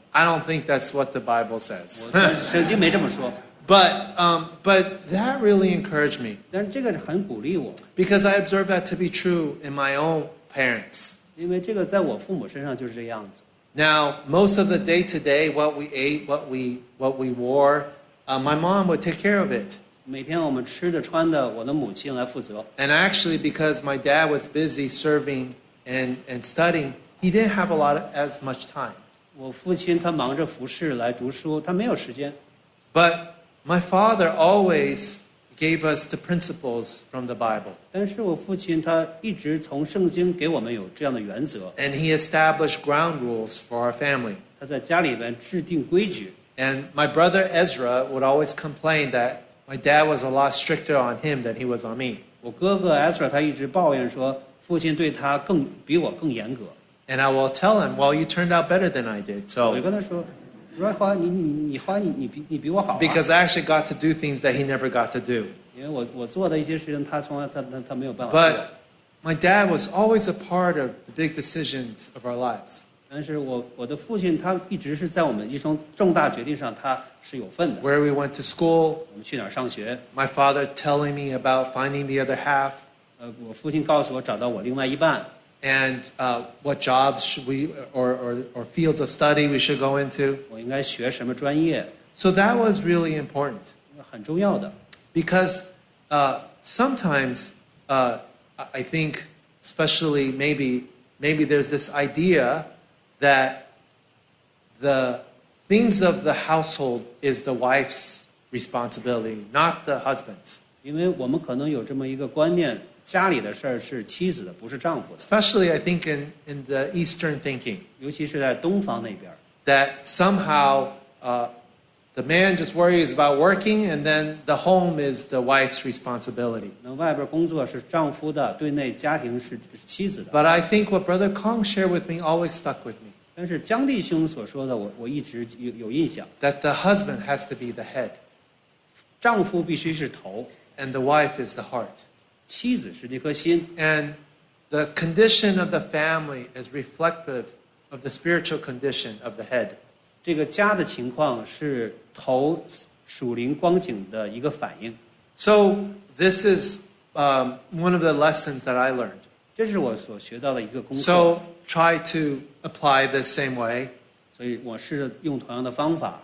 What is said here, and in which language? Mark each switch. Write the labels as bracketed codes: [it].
[en] I don't think that's what the Bible says. [zh] 圣经没这么说。 [en] But that really encouraged me. [zh] 但是这个很鼓励我。 [en] Because I observe that to be true in my own parents. [zh] 因为这个在我父母身上就是这样子。 [en] Now, most of the day to day, what we ate, what we wore, my mom would take care of it. [zh] 每天我们吃的穿的，我的母亲来负责。 [en] And actually, because my dad was busy serving and studying, he didn't have as much time. [zh] 我父亲他忙着服侍来读书，他没有时间。 [en] But my father always gave us the principles from the Bible. [zh] 但是我父亲他一直从圣经给我们有这样的原则。 [en] And he established ground rules for our family. [zh] 他在家里边制定规矩。 [en] And my brother Ezra would always complain that my dad was a lot stricter on him than he was on me. [zh] 我哥哥 Ezra 他一直抱怨说，父亲对他比我更严格。 [en] And I will tell him, well, you turned out better than I did. So, [zh] 我就跟他说，瑞华，你花你比我好。 [en] Because I actually got to do things that he never got to do. [zh] 因为我做的一些事情，他从来他没有办法做。 [en] But my dad was always a part of the big decisions of our lives. [zh] 但是我的父亲他一直是在我们一生重大决定上他是有份的。 [en] Where we went to school. [zh] 我们去哪儿上学。 [en] My father telling me about finding the other half. [zh] 我父亲告诉我找到我另外一半。 [en] And what jobs should we or fields of study we should go into? [zh] 我应该学什么专业 [en] ？So that was really important. [zh] 很重要的。 [en] Because sometimes I think, especially maybe there's this idea that the things of the household is the wife's responsibility, not the husband's. [zh] 因为我们可能有这么一个观念。家里的事儿是妻子的，不是丈夫的。 [en] Especially, I think in the Eastern thinking, [zh] 尤其是在东方那边 [en] that somehow, the man just worries about working, and then the home is the wife's responsibility. [zh] 那外边工作是丈夫的，对内家庭是妻子的。 [en] But I think what Brother Kong shared with me always stuck with me. [zh] 但是江弟兄所说的，我一直有印象。 [en] That the husband has to be the head. [zh] 丈夫必须是头。 [en] And the wife is the heart. [zh] 妻子是那颗心。 [en] And the condition of the family is reflective of the spiritual condition of the head. [zh] 这个家的情况是头属灵光景的一个反应。 [en] So this is one of the lessons that I learned. [zh] 这是我所学到的一个功课。 [en] So try to apply the same way. [zh] 所以我试着用同样的方法。